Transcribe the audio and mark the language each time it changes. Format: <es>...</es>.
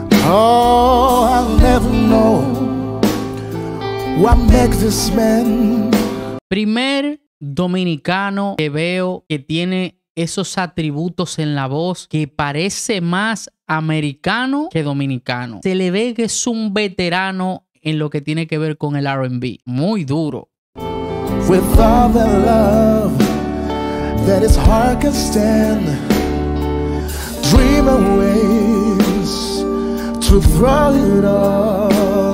<en>Oh, I'll never know what makes this man.</en> <es>Primer dominicano que veo que tiene esos atributos en la voz que parece más americano que dominicano. Se le ve que es un veterano en lo que tiene que ver con el R&B. Muy duro.</es> <en>With all the love that his heart can stand, dream of ways to throw it all.</en>